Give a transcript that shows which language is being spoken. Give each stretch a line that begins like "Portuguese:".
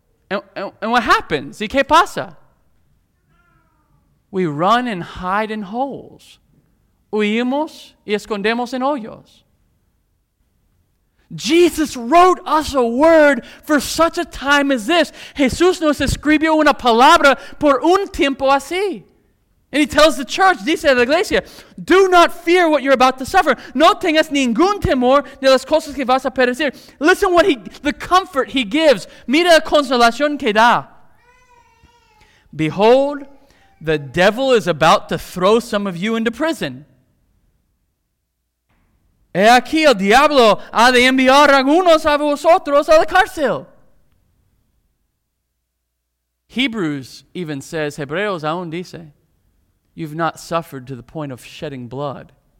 English: And what happens?
Spanish: ¿Y qué pasa?
English: We run and hide in holes.
Spanish: Huimos y escondemos en hoyos.
English: Jesus wrote us a word for such a time as this.
Spanish: Jesús nos escribió una palabra por un tiempo así.
English: And he tells the church,
Spanish: dice a la iglesia,
English: do not fear what you're about to suffer.
Spanish: No tengas ningún temor de las cosas que vas a perecer.
English: Listen what the comfort he gives.
Spanish: Mira la consolación que da.
English: Behold, the devil is about to throw some of you into prison.
Spanish: He aquí el diablo ha de enviar algunos a vosotros a la cárcel.
English: Hebrews even says,
Spanish: Hebreos aún dice,
English: you've not suffered to the point of shedding blood.